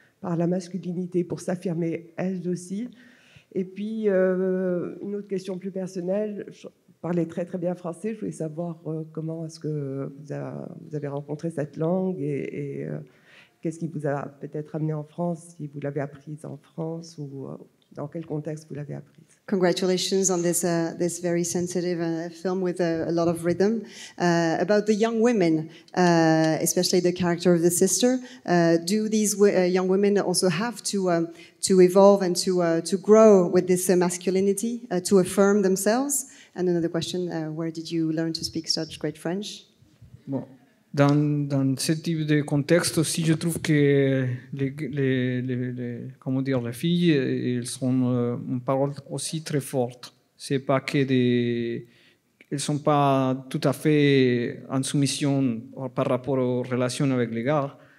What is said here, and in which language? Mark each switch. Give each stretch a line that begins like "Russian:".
French: Par la masculinité pour s'affirmer elles aussi. Et puis, une autre question plus personnelle, je parlais très très bien français, je voulais savoir comment est-ce que vous avez rencontré cette langue et qu'est-ce qui vous a peut-être amené en France, si vous l'avez apprise en France ou dans quel contexte vous l'avez apprise.
English: Congratulations on this this very sensitive film with a lot of rhythm about the young women, especially the character of the sister. Do these young women also have to evolve and to grow with this masculinity to affirm themselves? And another question: where did you learn to speak such great French?
French: Bon, dans ce type de contexte aussi, je trouve que les filles, elles sont une parole aussi très forte. C'est pas que elles sont pas tout à fait en soumission par rapport aux relations avec les gars.